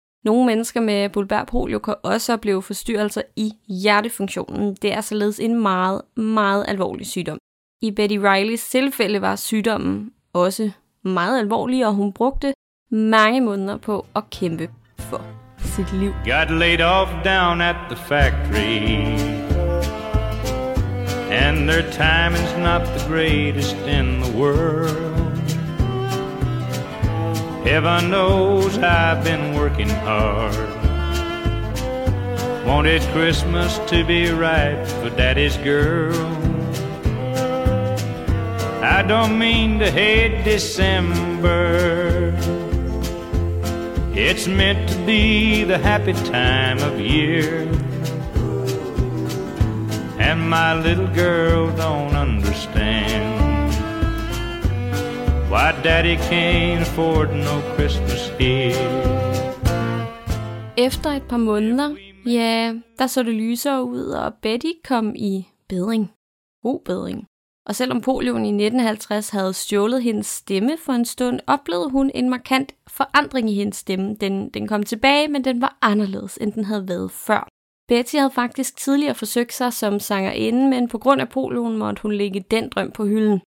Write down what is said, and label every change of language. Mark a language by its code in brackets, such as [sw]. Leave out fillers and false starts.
[da] Nogle mennesker med bulbær polio kan også opleve forstyrrelser i hjertefunktionen. Det er således en meget, meget alvorlig sygdom. I Betty Rileys tilfælde var sygdommen også meget alvorlig, og hun brugte mange måneder på at kæmpe for sit liv. [en] Got laid off down at the factory, and their timing's not the greatest in the world. Heaven knows I've been working hard. Wanted Christmas to be right for daddy's girl. I don't mean to hate December. It's meant to be the happy time of year. And my little girl don't understand why daddy can't afford no Christmas here. [da] Efter et par måneder, ja, der så det lysere ud, og Betty kom i bedring. God bedring. Og selvom polioen i 1950 havde stjålet hendes stemme for en stund, oplevede hun en markant forandring i hendes stemme. Den kom tilbage, men den var anderledes, end den havde været før. Betty havde faktisk tidligere forsøgt sig som sangerinde, men på grund af polioen måtte hun lægge den drøm på hylden.